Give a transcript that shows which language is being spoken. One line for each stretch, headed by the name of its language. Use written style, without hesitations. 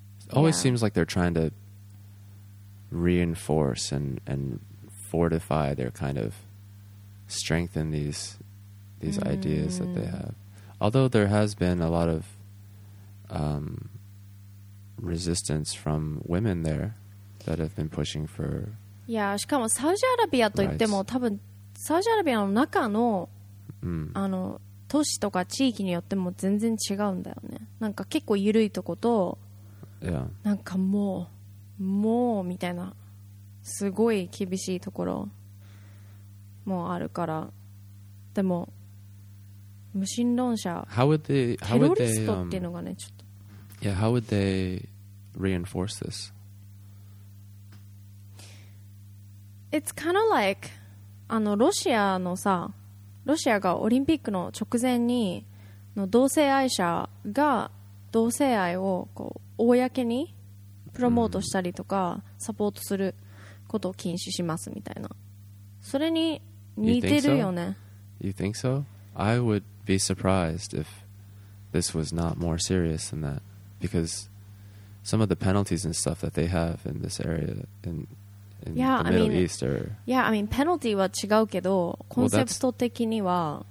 English: Always seems like they're trying to reinforce and fortify their kind of strengthen these ideas that they have. Although there has been a lot of resistance from women there. That have been pushing for yeah,
Japanese: しかもサウジアラビアといっても、多分サウジアラビアの中の、あの都市とか地域によっても全然違うんだよね。なんか結構緩いとこと、
English: yeah.
Japanese: なんかもうみたいなすごい厳しいところもあるから、でも無神論者、テロリストっていうのがねちょっと、
English: yeah, how would they reinforce this? It's kind of like
Japanese: あのロシアのさ、ロシアがオリンピックの直前にの同性愛者が同性愛をこう公にプロモートしたりとかサポートすることを禁止しますみたいな。それに似てるよね。
English: You think so? I would be surprised if this was not more serious than that. Because some of the penalties and stuff that they have in this area in I mean,
Japanese: penalty は違うけど、コンセプト的には、